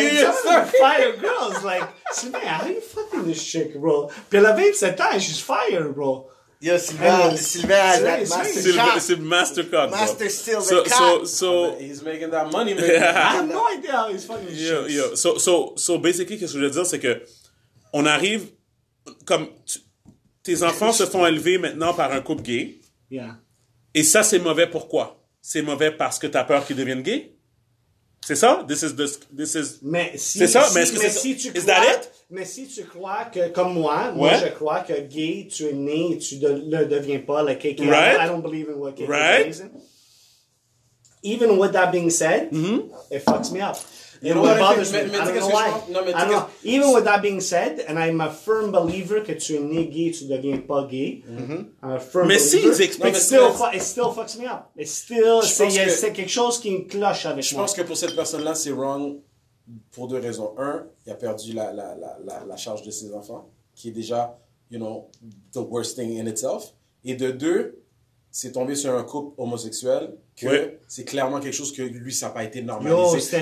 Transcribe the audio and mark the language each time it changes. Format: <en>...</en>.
<en>And just for fire girls, like, Sylvain, how are you fucking this chick, bro?</en> <fr>Puis elle avait 7 ans,</fr> <en>she's fire, bro. Yo, Sylvain,</en> <fr>c'est Mastercard.</fr> <en>Master Sylvain. So, he's making that money, man. I have no idea how he's fucking shit. So, basically,</en> <fr>qu'est-ce que je veux dire, c'est que on arrive, comme tes enfants se font élever maintenant par un couple gay.</fr> <en>Yeah.</en> <fr>Et ça, c'est mauvais pourquoi? C'est mauvais parce que t'as peur qu'ils deviennent gays? C'est ça? Mais si tu crois que, comme moi, moi je crois que gay, tu es né et tu ne le deviens pas, le KK,</fr> <en>right? I don't believe in what KK is. Even with that being said, it fucks me up. It bothers me. I don't know why. Even with that being said, and I'm a firm believer</en> <fr>que tu es né gay, tu ne deviens pas gay.</fr> <en>It still fucks me up.</en> <fr>C'est quelque chose qui me cloche avec moi. Je pense que pour cette personne-là, c'est wrong. Pour deux raisons. Un, il a perdu la charge de ses enfants, qui est déjà,</fr> <en>you know, the worst thing in itself.</en> <fr>Et de deux, c'est tombé sur un couple homosexuel, que c'est clairement quelque chose que lui, ça n'a pas été normalisé.</fr>